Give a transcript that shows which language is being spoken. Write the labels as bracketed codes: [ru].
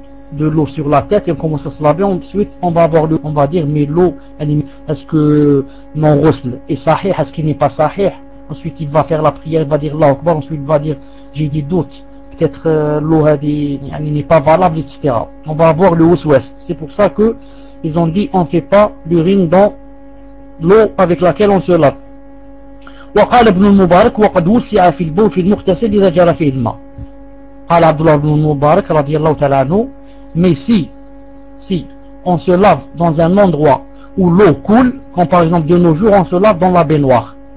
[fr] De l'eau sur la tête et on commence à se laver. Ensuite, on va avoir mais l'eau, est-ce que mon ghusl est sahih, est-ce qu'il n'est pas sahih? Ensuite, il va faire la prière, il va dire Allahu Akbar. Ensuite, il va dire j'ai des doutes, peut-être l'eau elle n'est pas valable, etc. On va avoir le ouswas. C'est pour ça que ils ont dit on ne fait pas l'urine dans l'eau avec laquelle on se lave. [ar] وقال ابن المبارك وقد وسع في البول في المغتسل إذا جرى فيه الماء. قال عبد الله بن المبارك رضي الله تعالى عنه. [fr] Mais si on se lave dans un endroit où l'eau coule, comme par exemple de nos jours on se lave dans la baignoire.